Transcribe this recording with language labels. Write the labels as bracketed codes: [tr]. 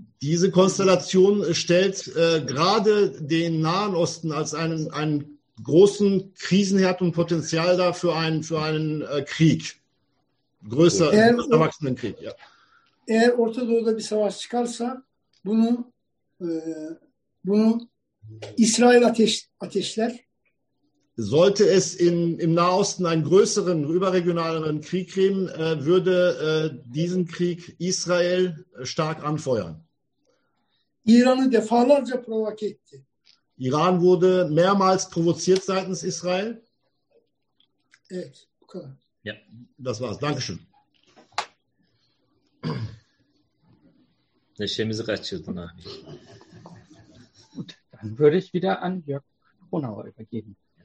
[de] Diese Konstellation stellt gerade den Nahen Osten als einen großen Krisenherd und Potenzial da für einen Krieg. Größer, erwachsenen Krieg, ja. [tr] Eğer Orta Doğu'da bir savaş çıkarsa bunu İsrail ateşler. [de] Sollte es im Nahosten einen größeren, überregionaleren Krieg geben, würde diesen Krieg Israel stark anfeuern. [tr] İran'ı defalarca provoke etti. [de] Iran wurde mehrmals provoziert seitens Israel. [tr] Evet, bu kadar. [de] Ja, das war's. Dankeschön. [tr] Neşemizi kaçırdın abi. [de] Gut, dann würde ich wieder an Jörg Kronauer übergeben.